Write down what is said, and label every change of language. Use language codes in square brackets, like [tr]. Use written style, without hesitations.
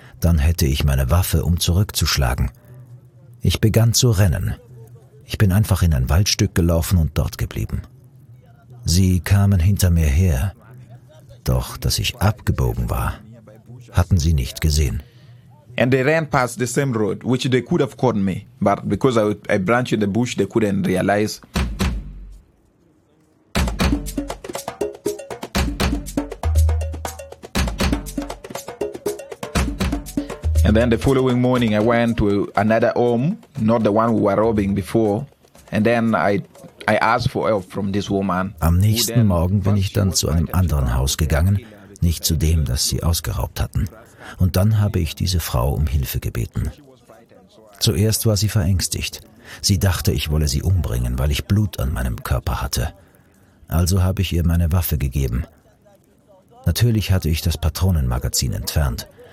[de] Dann hätte ich meine Waffe, um zurückzuschlagen. Ich begann zu rennen. Ich bin einfach in ein Waldstück gelaufen und dort geblieben. Sie kamen hinter mir her. Doch, dass ich abgebogen war, hatten sie nicht gesehen. [en] And they ran past the same road, which they could have caught me. But because I branched in the bush, they couldn't realize. And then the following morning, I went to another home, not the one we were robbing before. And then I asked for help from this woman. [de] Am nächsten Morgen bin ich dann zu einem anderen Haus gegangen, nicht zu dem, das sie ausgeraubt hatten. Und dann habe ich diese Frau um Hilfe gebeten. Zuerst war sie verängstigt. Sie dachte, ich wolle sie umbringen, weil ich Blut an meinem Körper hatte. Also habe ich ihr meine Waffe gegeben. Natürlich hatte ich das Patronenmagazin entfernt.